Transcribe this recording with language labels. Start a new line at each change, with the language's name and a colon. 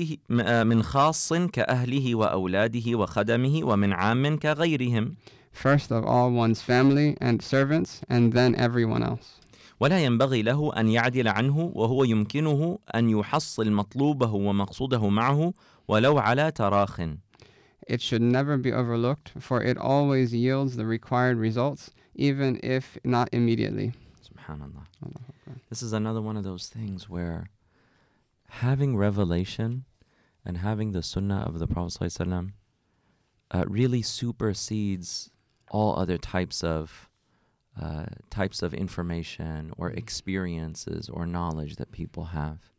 Arabic: من خاص كأهله وأولاده وخدمه ومن عام كغيرهم.
English: First of all one's family and servants, and then everyone else.
Arabic: ولا ينبغي له أن يعدل عنه وهو يمكنه أن يحصل مطلوبه ومقصوده معه ولو على تراخ.
English: It should never be overlooked, for it always yields the required results, even if not immediately.
Arabic: Subhanallah.
English: This is another one of those things where having revelation and having the sunnah of the Prophet sallallahu alaihi wasallam really supersedes all other types of information or experiences or knowledge that people have.